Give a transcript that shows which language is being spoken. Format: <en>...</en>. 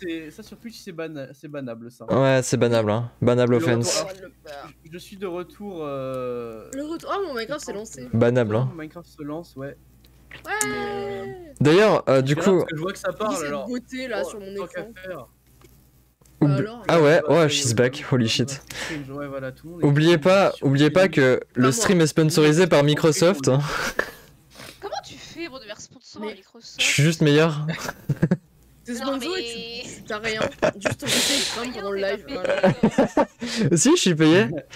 <fr>Ça sur Twitch c'est bannable ça. Ouais, c'est bannable, hein.</fr> <en>Bannable offense.</en> <fr>Je suis de retour. Le retour. Oh, mon Minecraft s'est lancé. Bannable, hein. Minecraft se lance, ouais. Ouais. D'ailleurs, du coup. Je vois que ça parle alors. Beauté là sur mon écran. Ah ouais,</fr> <en>oh, she's back, holy shit.</en> <fr>Oubliez pas que le stream est sponsorisé par Microsoft. Comment tu fais pour devenir sponsor à Microsoft? Je suis juste meilleur. T'es sponsor et t'as rien. Juste en fait, comme pendant le live. Si, je suis payé.</fr>